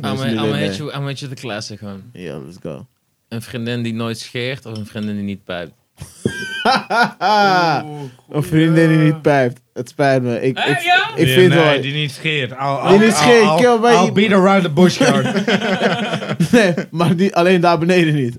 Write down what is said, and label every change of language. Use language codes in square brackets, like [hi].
[en] I'm with you the classic, man. Ja, let's go. [nl] Een vriendin die nooit scheert of een vriendin die niet pijpt? Een vriendin die niet pijpt. Het spijt me. Die niet scheert. [en] I'll beat around the bush. [nl] Nee, maar die, alleen daar beneden niet.